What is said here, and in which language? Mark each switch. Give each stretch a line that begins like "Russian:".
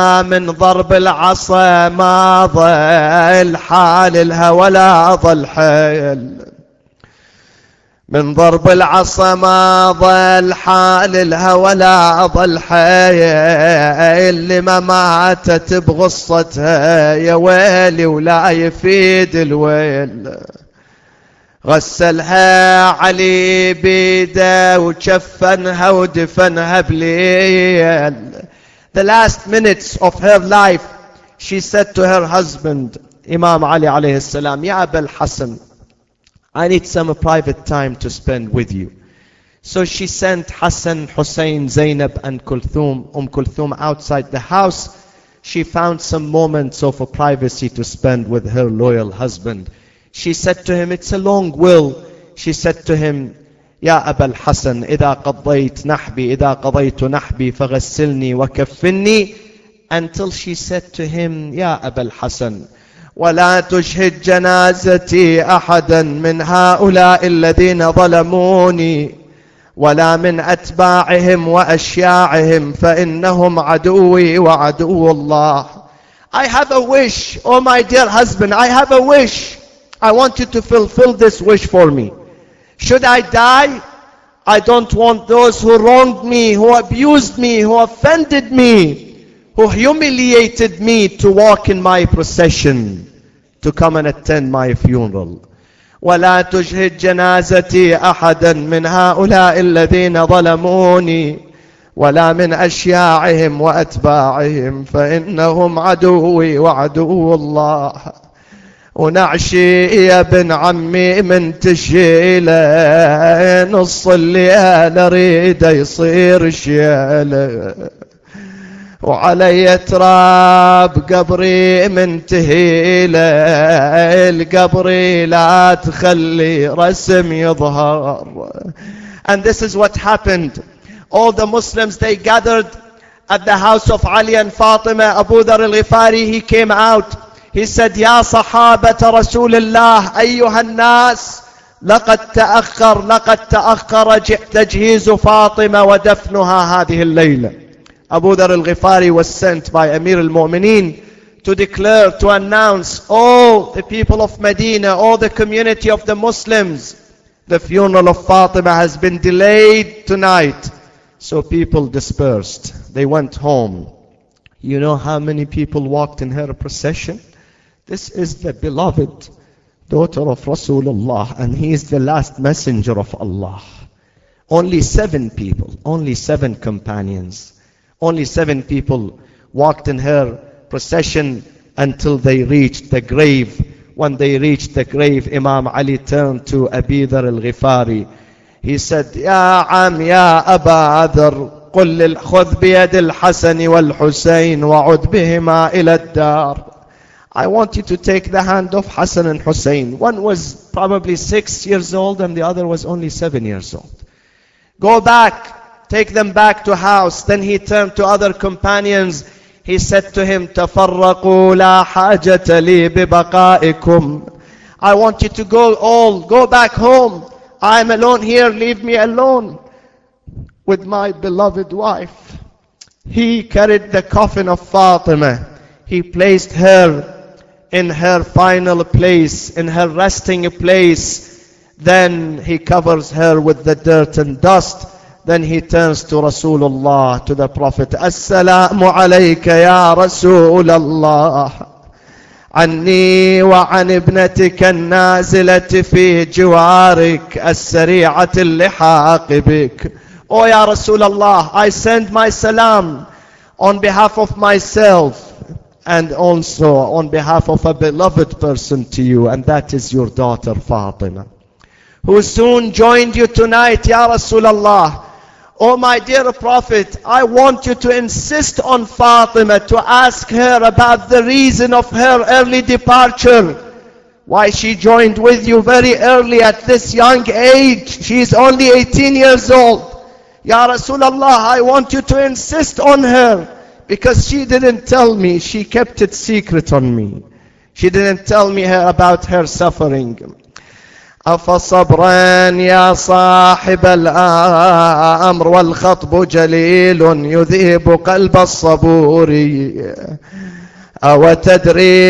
Arabic: من ضرب العصا ما ظل حاللها ولا ظل حيل من ضرب العصا ما ظل حاللها ولا ظل حيل اللي ما ماتت بغصتها يا ويلي ولا يفيد الويل غسلها علي بيده وشفنها ودفنها بليل.
English: The last minutes of her life, she said to her husband, Imam Ali عليه السلام,
Arabic: يا أبا الحسن,
English: I need some private time to spend with you. So she sent Hassan, Hussein, Zainab and Kulthum, Kulthum outside the house. She found some moments of privacy to spend with her loyal husband. She said to him, it's a long will. She said to him,
Arabic: يا أبا الحسن إذا قضيت نحبي فغسلني وكفني.
English: Until she said to him,
Arabic: يا أبا الحسن ولا تشهد جنازتي أحدا من هؤلاء الذين ظلموني ولا من أتباعهم وأشياعهم فإنهم عدوي وعدو الله.
English: I have a wish, oh my dear husband, I have a wish. I want you to fulfill this wish for me. Should I die? I don't want those who wronged me, who abused me, who offended me, who humiliated me to walk in my procession, to come and attend my funeral.
Arabic: ولا تشهد جنازتي أحدا من هؤلاء الذين ظلموني ولا من أشياعهم وأتباعهم فإنهم عدوي وعدو الله. ونعشي يا ابن عمي من تشيلة نص الليل أريد يصير شيلة وعلي تراب قبري من تهيلة القبري لا تخلي رسم يظهر.
English: And this is what happened. All the Muslims, they gathered at the house of Ali and Fatima. Abu Dhar al-Ghifari, he came out. He said,
Arabic: يا صحابة رسول الله أيها الناس لقد تأخر تجهيز فاطمة ودفنها هذه الليلة.
English: Abu Dhar al-Ghifari was sent by Amir al-Mu'mineen to declare, to announce, all the people of Medina, all the community of the Muslims, the funeral of Fatima has been delayed tonight. So people dispersed. They went home. You know how many people walked in her procession? This is the beloved daughter of Rasulullah, and he is the last messenger of Allah. Only seven companions walked in her procession until they reached the grave. When they reached the grave, Imam Ali turned to Abi Dhar al-Ghifari. He said,
Arabic: Ya Am, Ya Aba Adhar, قل خذ بيد الحسن والحسين وعد بهما إلى الدار.
English: I want you to take the hand of Hassan and Hussein. One was probably 6 years old and the other was only 7 years old. Go back, take them back to house. Then he turned to other companions. He said to him,
Arabic: تفرقوا لا حاجة لي ببقائكم.
English: I want you to go all, go back home. I'm alone here, leave me alone with my beloved wife. He carried the coffin of Fatima. He placed her in her final place, in her resting place. Then he covers her with the dirt and dust. Then he turns to Rasulullah, to the Prophet.
Arabic: As-salamu alayka ya Rasulullah. عني وعن ابنتك النازلة في جوارك السريعة اللحاق بك.
English: O Ya Rasulullah, I send my salam on behalf of myself and also on behalf of a beloved person to you, and that is your daughter Fatima, who soon joined you tonight, Ya Rasulullah. O my dear Prophet, I want you to insist on Fatima, to ask her about the reason of her early departure, why she joined with you very early at this young age. She is only 18 years old. Ya Rasulullah, I want you to insist on her, because she didn't tell me, she kept it secret on me. She didn't tell me her about her suffering.
Arabic: أَفَصَبْرًا يَا صَاحِبَ الْأَمْرِ وَالْخَطْبُ جَلِيلٌ يُذِيبُ قَلْبَ الصَّبُورِ أَوَتَدْرِي